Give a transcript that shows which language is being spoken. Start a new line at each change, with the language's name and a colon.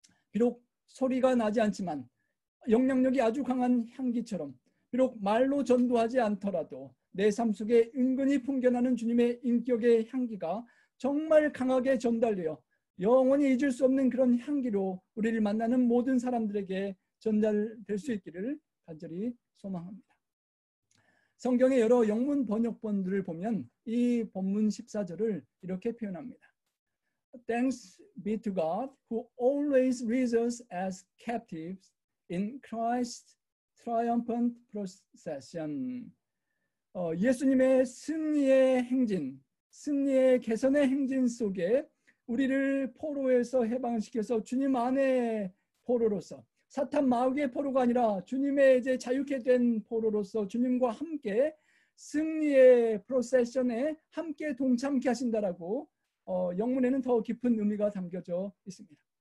Korean: 비록 소리가 나지 않지만 영향력이 아주 강한 향기처럼 비록 말로 전도하지 않더라도 내 삶 속에 은근히 풍겨나는 주님의 인격의 향기가 정말 강하게 전달되어 영원히 잊을 수 없는 그런 향기로 우리를 만나는 모든 사람들에게 전달될 수 있기를 간절히 소망합니다. 성경의 여러 영문 번역본들을 보면 이 본문 14절을 이렇게 표현합니다.
English: Thanks be to God who always raises as captives in Christ's triumphant procession.
Korean: 예수님의 승리의 행진, 승리의 개선의 행진 속에 우리를 포로에서 해방시켜서 주님 안에 포로로서 사탄 마귀의 포로가 아니라 주님의 이제 자유케 된 포로로서 주님과 함께 승리의 프로세션에 함께 동참케 하신다라고 영문에는 더 깊은 의미가 담겨져 있습니다.